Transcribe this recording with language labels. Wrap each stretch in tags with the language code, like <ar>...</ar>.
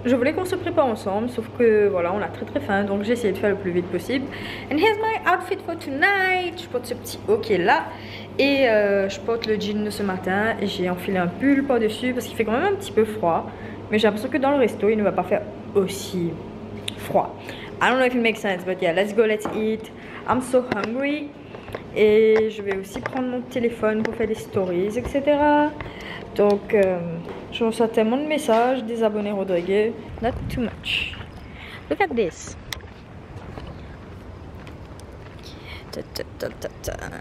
<fr>Je voulais qu'on se prépare ensemble sauf que voilà on a très très faim. Donc j'ai essayé de faire le plus vite possible.</fr> <en>And here's my outfit for tonight.</en> <fr>Je porte ce petit hockey là. Et je porte le jean de ce matin et j'ai enfilé un pull par dessus parce qu'il fait quand même un petit peu froid. Mais j'ai l'impression que dans le resto il ne va pas faire aussi froid.</fr> <en>I don't know if it makes sense but yeah, let's go, let's eat. I'm so hungry.</en> <fr>Et je vais aussi prendre mon téléphone pour faire des stories, etc. Donc je reçois tellement de messages des abonnés Rodriguez.</fr> <en>Not too much. Look at this. Ta-ta-ta-ta-ta.</en>